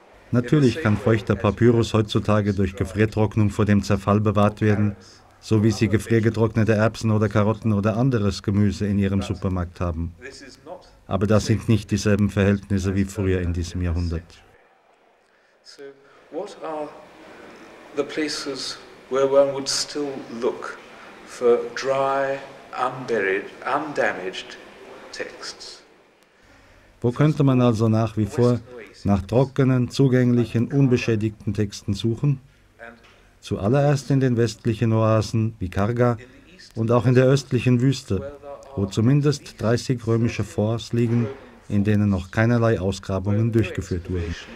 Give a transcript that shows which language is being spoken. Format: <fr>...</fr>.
<de>Natürlich kann feuchter Papyrus heutzutage durch Gefriertrocknung vor dem Zerfall bewahrt werden, so wie Sie gefriergetrocknete Erbsen oder Karotten oder anderes Gemüse in Ihrem Supermarkt haben. Aber das sind nicht dieselben Verhältnisse wie früher in diesem Jahrhundert.</de> <en>So, what are the places where one would still look for dry, unburied, undamaged texts?</en> <de>Wo könnte man also nach wie vor nach trockenen, zugänglichen, unbeschädigten Texten suchen? Zuallererst in den westlichen Oasen wie Karga und auch in der östlichen Wüste, wo zumindest 30 römische Forts liegen, in denen noch keinerlei Ausgrabungen durchgeführt wurden.</de>